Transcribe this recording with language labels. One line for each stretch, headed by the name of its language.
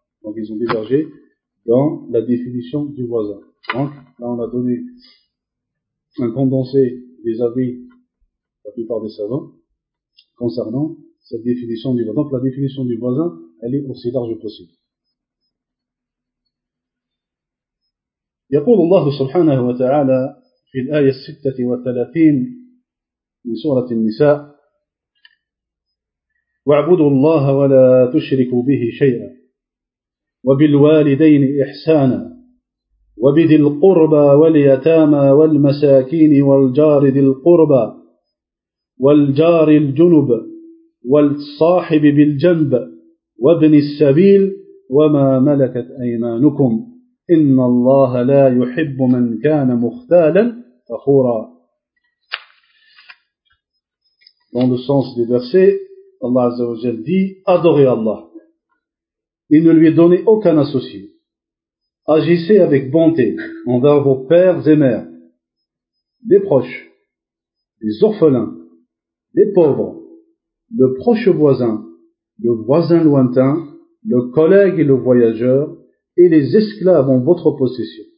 French: Donc ils ont divergé dans la définition du voisin. Donc là on a donné un condensé des avis de la plupart des savants concernant cette définition du voisin. Donc la définition du voisin, elle est aussi large possible.
Arabic: يقول الله سبحانه وتعالى في الآية 36 من سورة النساء واعبدوا الله ولا تشركوا به شيئا وبالوالدين إحسانا وبذي القربى واليتامى والمساكين والجار ذي القربى والجار الجنب والصاحب بالجنب وابن السبيل وما ملكت أيمانكم إن الله لا يحب من كان مختالا فخورا.
French: Dans le sens du verset, Allah Azza wa Jal dit « Adorez Allah et ne lui donnez aucun associé. Agissez avec bonté envers vos pères et mères, les proches, les orphelins, les pauvres, le proche voisin, le voisin lointain, le collègue et le voyageur, et les esclaves en votre possession.